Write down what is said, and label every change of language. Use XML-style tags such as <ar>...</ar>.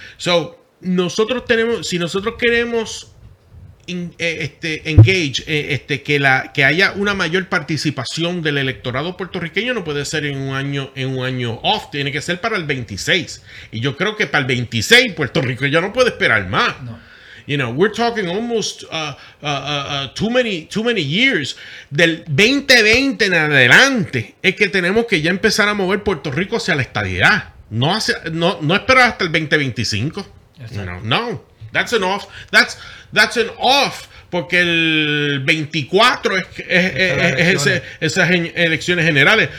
<es>So, nosotros tenemos, si nosotros queremos que haya una mayor participación del electorado puertorriqueño, no puede ser en un año off, tiene que ser para el 26, y yo creo que para el 26 Puerto Rico ya no puede esperar más.</es> <en>You know, we're talking almost too many years.</en> <es>Del 2020 en adelante es que tenemos que ya empezar a mover Puerto Rico hacia la estadidad, no esperar hasta el 2025.</es> <en>That's an off,</en> <es>porque el 24 es esas elecciones generales.</es>